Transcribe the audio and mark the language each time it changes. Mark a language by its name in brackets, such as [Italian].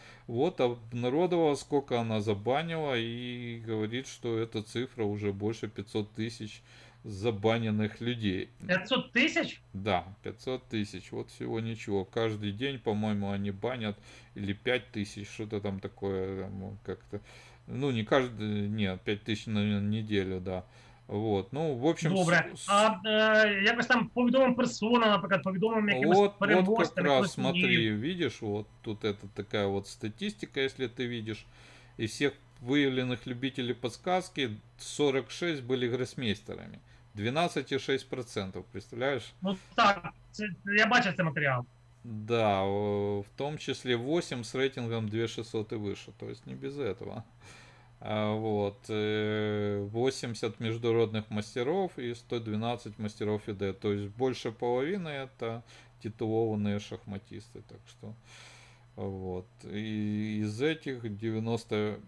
[Russian] Вот, обнародовала, сколько она забанила, и говорит, что эта цифра уже больше 500 тысяч забаненных людей. 500 тысяч? Да, 500 тысяч, вот всего ничего. Каждый день, по-моему, они банят, или 5 тысяч, что-то там такое, там, как-то... Ну, не каждый, нет, 5 тысяч на неделю, да. Вот, ну, в общем... [Ukrainian] Добре, якось там повідомим персонам, наприклад, повідомим якимось [Russian] вот, [Ukrainian] переможцям. [Russian] Вот, как раз, смотри, видишь, вот тут это такая вот статистика, если ты видишь, из всех выявленных любителей подсказки 46 были гроссмейстерами, 12,6%, представляешь? [Ukrainian] Ну, так, я бачу цей матеріал. [Russian] Да, в том числе 8 с рейтингом 2600 и выше, то есть не без этого. Вот, 80 международных мастеров и 112 мастеров ФИДЕ, то есть больше половины это титулованные шахматисты, так что, вот, и из этих 90...